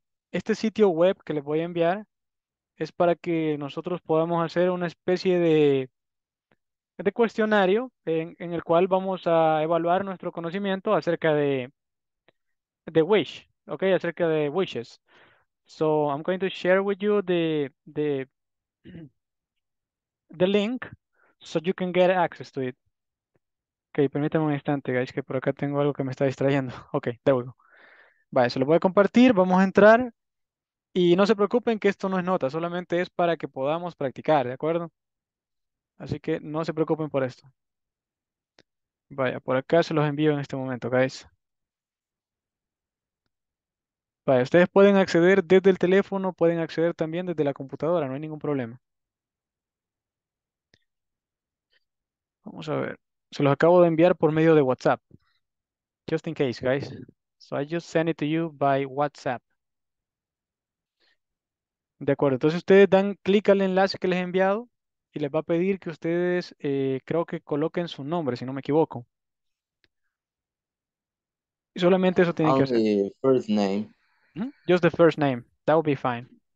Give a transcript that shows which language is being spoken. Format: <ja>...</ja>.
<es>Este sitio web que les voy a enviar es para que nosotros podamos hacer una especie de cuestionario en el cual vamos a evaluar nuestro conocimiento acerca de Wish, ¿ok? Acerca de Wishes.</es> <en>So, I'm going to share with you the link so you can get access to it.</en> <es>Ok, permítanme un instante, guys, que por acá tengo algo que me está distrayendo.</es> <en>Ok, there we go.</en> <es>Vale, se lo voy a compartir, vamos a entrar. Y no se preocupen que esto no es nota, solamente es para que podamos practicar, ¿de acuerdo? Así que no se preocupen por esto. Vaya, por acá se los envío en este momento, guys. Vale, ustedes pueden acceder desde el teléfono, pueden acceder también desde la computadora, no hay ningún problema. Vamos a ver. Se los acabo de enviar por medio de WhatsApp.</es> <en>Just in case, guys. So I just sent it to you by WhatsApp.</en> <es>De acuerdo. Entonces ustedes dan clic al enlace que les he enviado y les va a pedir que ustedes creo que coloquen su nombre, si no me equivoco. Y solamente eso tienen que hacer.</es> <en>Only first name. Just the first name. That would be fine.</en>